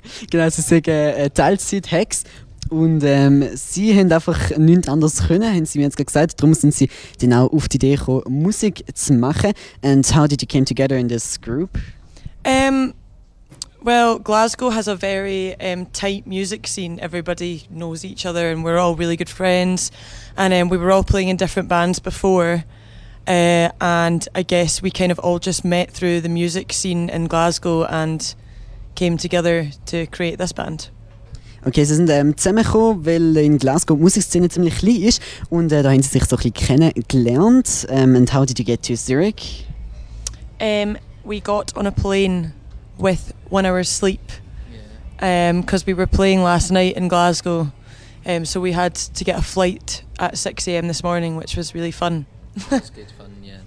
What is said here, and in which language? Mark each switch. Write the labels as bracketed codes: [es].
[de] Genau, sie sind Teilzeit-Hex und sie haben einfach nichts anderes können, haben sie mir jetzt gesagt. Darum sind sie dann auch auf die Idee gekommen, Musik zu machen. [en] And how did you come together in this group? Well, Glasgow has a very tight music scene. Everybody knows each other and we're all really good friends. And we were all playing in different bands before. And I guess we kind of all just met through the music scene in Glasgow and came together to create this band. [de] Okay, sie sind zusammengekommen, weil in Glasgow die Musikszene ziemlich klein ist und da haben sie sich so ein bisschen kennengelernt. [en] And how did you get to Zurich? We got on a plane with 1 hour sleep because we were playing last night in Glasgow. So we had to get a flight at 6 a.m. this morning, which was really fun. It was good fun, yeah.